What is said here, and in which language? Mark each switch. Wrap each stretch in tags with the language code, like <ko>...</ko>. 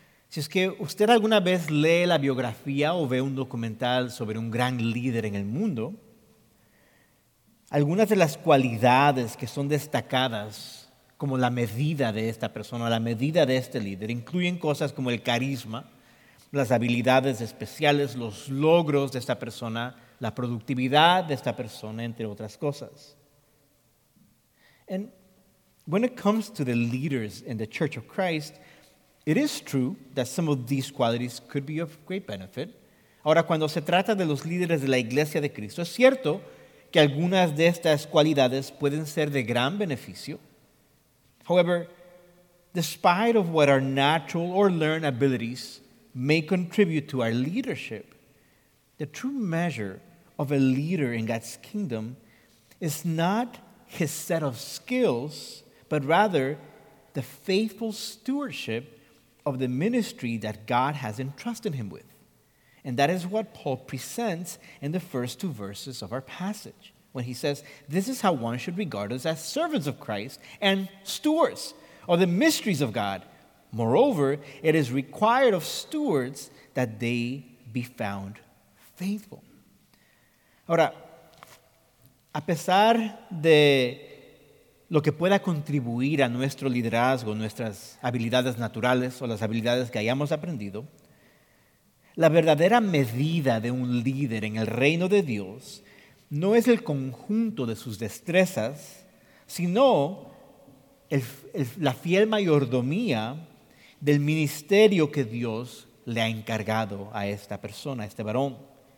<es>Si es que usted alguna vez lee la biografía o ve un documental sobre un gran líder en el mundo, algunas de las cualidades que son destacadas como la medida de esta persona, la medida de este líder, incluyen cosas como el carisma, las habilidades especiales, los logros de esta persona, la productividad de esta persona, entre otras cosas.</es> <en>And when it comes to the leaders in the Church of Christ, it is true that some of these qualities could be of great benefit.</en> <es>Ahora, cuando se trata de los líderes de la Iglesia de Cristo, es cierto que algunas de estas cualidades pueden ser de gran beneficio.</es> <en>However, despite of what our natural or learned abilities may contribute to our leadership, the true measure of a leader in God's kingdom is not his set of skills, but rather the faithful stewardship of the ministry that God has entrusted him with. And that is what Paul presents in the first two verses of our passage, when he says, this is how one should regard us as servants of Christ and stewards of the mysteries of God. Moreover, it is required of stewards that they be found faithful.</en> <es>Ahora, a pesar de lo que pueda contribuir a nuestro liderazgo, nuestras habilidades naturales o las habilidades que hayamos aprendido, la verdadera medida de un líder en el reino de Dios no es el conjunto de sus destrezas, sino la fiel mayordomía del ministerio que Dios le ha encargado a esta persona, a este varón.</es>